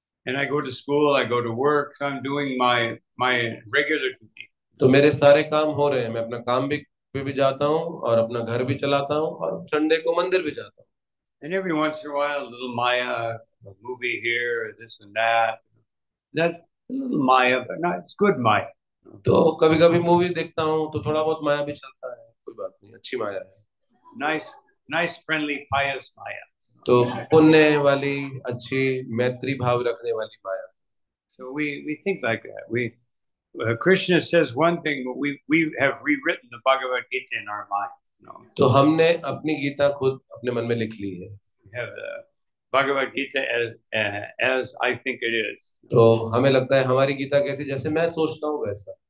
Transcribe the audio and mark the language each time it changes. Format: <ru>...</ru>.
<en>And I go to school, I go to work, so I'm doing my regular duty.</en> <hi>तो मेरे सारे काम हो रहे हैं. मैं अपना काम भी पे भी जाता हूँ और अपना घर भी चलाता हूँ और संडे को मंदिर भी जाता हूँ.</hi> <en>And every once in a while, a little Maya, a movie here, this and that. That's a little Maya, but not, it's good Maya.</en> <hi>तो कभी कभी मूवी देखता हूँ तो थोड़ा बहुत माया भी चलता है. कोई बात नहीं, अच्छी माया है.</hi> <en>Nice, friendly, pious माया.</en> <hi>तो पुण्य वाली, अच्छी मैत्री भाव रखने वाली माया.</hi> <en>So we think like that. Krishna says one thing, but we have rewritten the Bhagavad Gita in our mind.</en> <hi>तो हमने अपनी गीता खुद अपने मन में लिख ली है.</hi> <en>We have the Bhagavad Gita as I think it is.</en> <hi>तो हमें लगता है हमारी गीता कैसी, जैसे मैं सोचता हूँ वैसा.</hi>